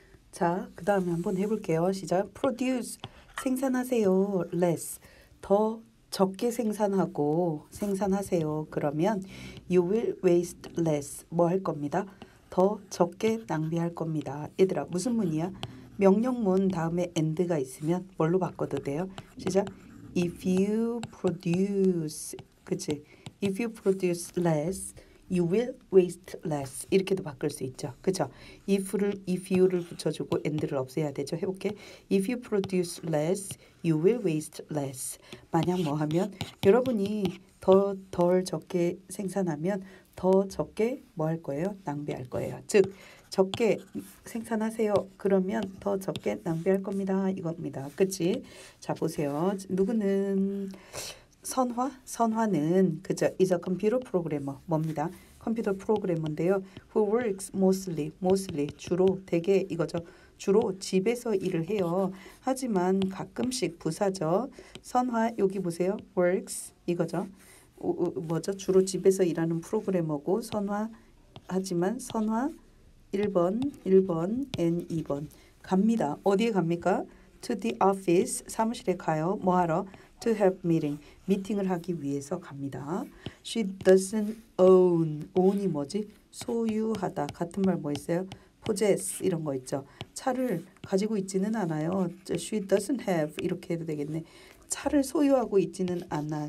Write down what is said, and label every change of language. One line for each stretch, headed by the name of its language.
Korean: 자, 그 다음에 한번 해볼게요. 시작. Produce, 생산하세요. Less, 더 적게 생산하고 생산하세요. 그러면
English: you will waste less.
Korean: 뭐할 겁니다. 더 적게 낭비할 겁니다. 얘들아, 무슨 문이야? 명령문 다음에 end가 있으면 뭘로 바꿔도 돼요. 시작.
English: If you produce,
Korean: 그치?
English: If you produce less, you will waste less.
Korean: 이렇게도 바꿀 수 있죠. 그쵸? if you를 붙여주고 end를 없애야 되죠. 해볼게.
English: If you produce less, you will waste less.
Korean: 만약 뭐 하면 여러분이 더덜 적게 생산하면 더 적게 뭐할 거예요? 낭비할 거예요. 즉, 적게 생산하세요. 그러면 더 적게 낭비할 겁니다. 이겁니다. 그치? 자, 보세요. 누구는 선화? 선화는 그저
English: is a computer programmer.
Korean: 뭡니다. 컴퓨터 프로그래머인데요.
English: Who works mostly
Korean: 주로 대개 이거죠. 주로 집에서 일을 해요. 하지만 가끔씩 부사죠. 선화 여기 보세요. works 이거죠. 뭐죠? 주로 집에서 일하는 프로그래머고 선화 하지만 선화 1번 and 2번 갑니다. 어디에 갑니까?
English: To the office
Korean: 사무실에 가요. 뭐 하러?
English: To have meeting
Korean: 미팅을 하기 위해서 갑니다.
English: She doesn't own.
Korean: own이 뭐지? 소유하다. 같은 말뭐 있어요? possess 이런 거 있죠. 차를 가지고 있지는 않아요.
English: She doesn't have
Korean: 이렇게 해도 되겠네. 차를 소유하고 있지는 않아.